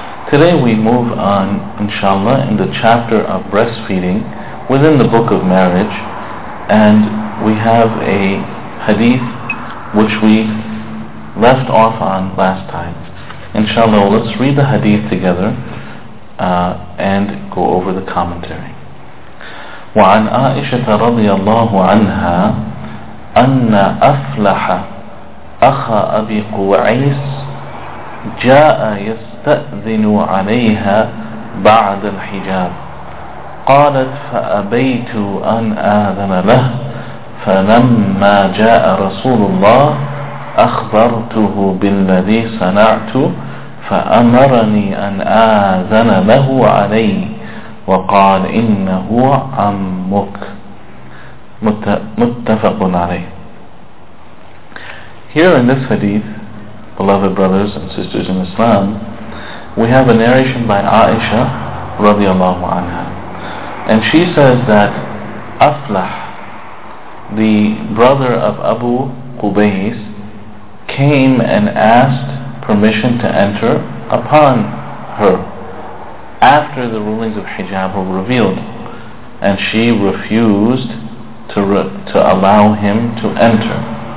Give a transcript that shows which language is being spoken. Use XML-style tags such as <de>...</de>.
<en>Today we move on, inshallah, in the chapter of breastfeeding within the Book of Marriage, and we have a hadith which we left off on last time. Inshallah, let's read the hadith together and go over the commentary.</en> <ar>وعن عائشة رضي الله عنها أن أفلح أخا أبي قعيس جاء يستأذن عليها بعد الحجاب، قالت فأبيت أن آذن له، فلما جاء رسول الله أخبرته بالذي صنعت فأمرني أن آذن له عليه وقال إنه عمك. متفق عليه.</ar> <en>Here in this hadith, beloved brothers and sisters in Islam, we have a narration by Aisha radiallahu anha, and she says that Aflah, the brother of Abu Qubays, came and asked permission to enter upon her after the rulings of hijab were revealed, and she refused to allow him to enter.</en>